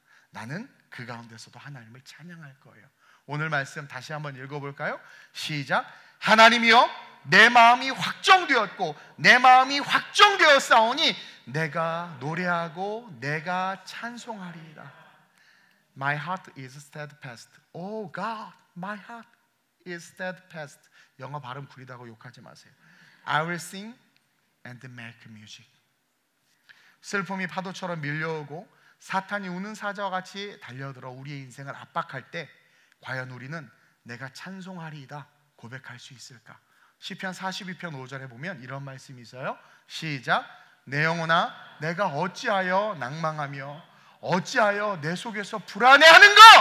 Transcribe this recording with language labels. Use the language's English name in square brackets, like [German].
[Korean] 나는 그 가운데서도 하나님을 찬양할 거예요. 오늘 말씀 다시 한번 읽어볼까요? 시작! 하나님이여 내 마음이 확정되었고 내 마음이 확정되었사오니 내가 노래하고 내가 찬송하리이다. [English] My heart is steadfast. Oh God, my heart is steadfast. [Korean] 영어 발음 구리다고 욕하지 마세요. [English] I will sing and make music. [Korean] 슬픔이 파도처럼 밀려오고 사탄이 우는 사자와 같이 달려들어 우리의 인생을 압박할 때 과연 우리는 내가 찬송하리이다 고백할 수 있을까? 시편 42편 5절에 보면 이런 말씀이 있어요. 시작! 내 영혼아 내가 어찌하여 낙망하며 어찌하여 내 속에서 불안해하는가?